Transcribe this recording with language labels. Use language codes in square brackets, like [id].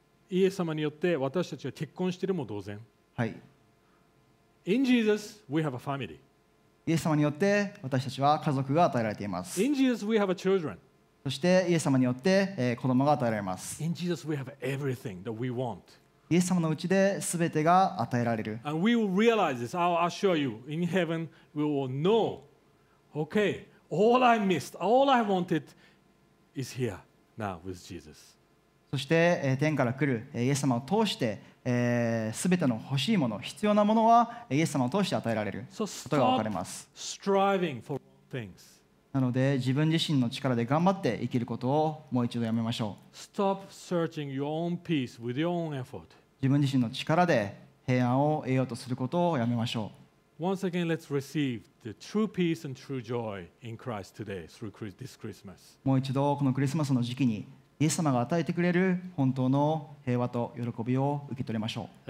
[ja] イエス様によって私たちは結婚しているも同然。はい、 [en] In Jesus, we have a family. [ja] イエス様によって私たちは家族が与えられています。 [en] In Jesus, we have a children. [ja] そしてイエス様によって、子供が与えられます。 [en] In Jesus, we have everything that we want. [ja] イエス様のうちで全てが与えられる。 [en] And we will realize this. I'll assure you, in heaven, we will know, okay, all I missed, all I wanted is here now with Jesus. [ja] そして、天から来る、イエス様を通して、全ての欲しいもの、必要なものはイエス様を通して与えられることが分かります。 [en] So、stop striving for things. [ja] なので自分自身の力で頑張って生きることをもう一度やめましょう。 [en] Stop searching your own peace with your own effort. [ja] 自分自身の力で平安を得ようとすることをやめましょう。 [en] Once again, let's receive the true peace and true joy in Christ today through this Christmas. [ja] もう一度このクリスマスの時期にイエス様が与えてくれる本当の平和と喜びを受け取りましょう。